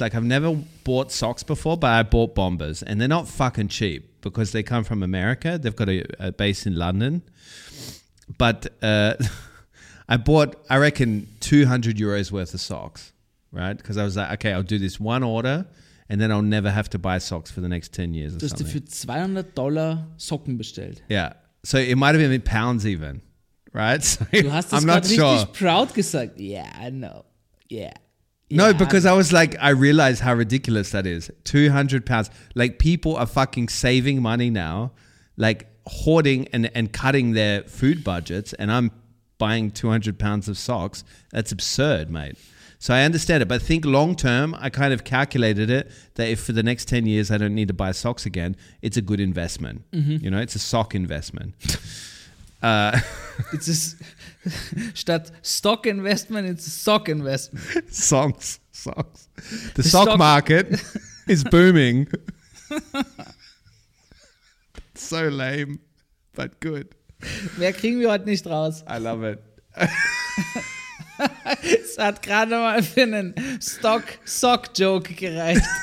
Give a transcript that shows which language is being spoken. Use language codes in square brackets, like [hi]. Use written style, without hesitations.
[en] Like I've never bought socks before, but I bought Bombas, and they're not fucking cheap because they come from America. They've got a base in London, but. I bought, I reckon, 200 euros worth of socks, right? Because I was like, okay, I'll do this one order and then I'll never have to buy socks for the next 10 years or something. [de] Du hast dir für $200 Socken bestellt. [en] Yeah. So it might have been pounds even, right? So [de] du hast das gerade richtig proud gesagt. [en] Yeah, I know. Yeah. No, yeah, because I was like, I realized how ridiculous that is. 200 pounds. Like people are fucking saving money now, like hoarding and cutting their food budgets and I'm buying 200 pounds of socks, that's absurd, mate. So I understand it. But think long term, I kind of calculated it that if for the next 10 years I don't need to buy socks again, it's a good investment. Mm-hmm. You know, it's a sock investment. It's a statt stock investment, it's a sock investment. Socks. The sock market is booming. So lame, but good. [de] Mehr kriegen wir heute nicht raus. [en] I love it. [de] Es hat gerade mal für einen Stock-Sock-Joke gereicht.